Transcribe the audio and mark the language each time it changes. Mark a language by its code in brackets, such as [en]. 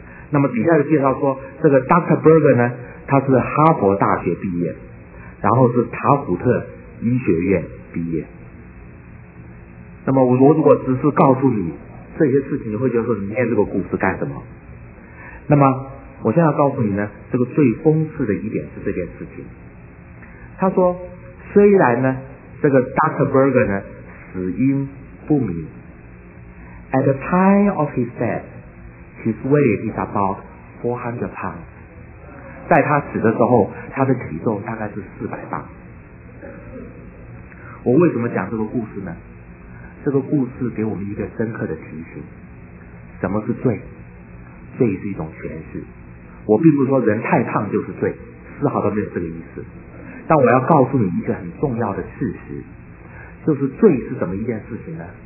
[zh] 那么底下就介绍说，这个 Dr. Berger 呢，他是哈佛大学毕业，然后是塔普特医学院毕业。那么我如果只是告诉你这些事情，你会觉得说你念这个故事干什么？那么我现在告诉你呢，这个最讽刺的一点是这件事情。他说虽然呢这个 Dr. Berger 呢死因不明， [en] At the time of his death his weight is about 400 pounds， [zh] 在他死的时候他的体重大概是400磅。我为什么讲这个故事呢？这个故事给我们一个深刻的提醒，什么是罪？罪是一种诠释。我并不是说人太胖就是罪，丝毫都没有这个意思，但我要告诉你一个很重要的事实，就是罪是什么一件事情呢？